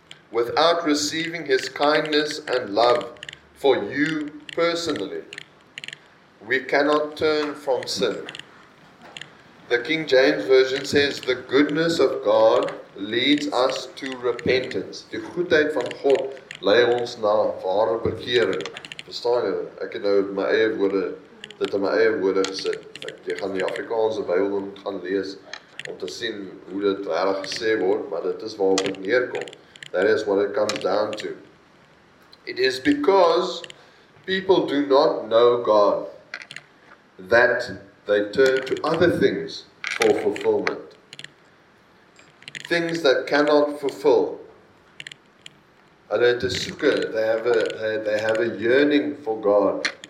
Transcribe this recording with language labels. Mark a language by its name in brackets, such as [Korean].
[English] Without receiving His kindness and love for you personally, we cannot turn from sin. The King James Version says, the goodness of God leads us to repentance. [Afrikaans] Die goedheid van God lei ons na ware bekering. Verstaan jy? Ek het nou my eie woorde, dit in my eie woorde gesê. Jy gaan die Afrikaanse Bybel moet gaan lees om te sien hoe dit regtig gesê word, maar dit is waarop dit neerkom. [English] That is what it comes down to. It is because people do not know God that they turn to other things for fulfillment. Things that cannot fulfill. [Afrikaans] Hulle het 'n soeke, [English] they have a yearning for God.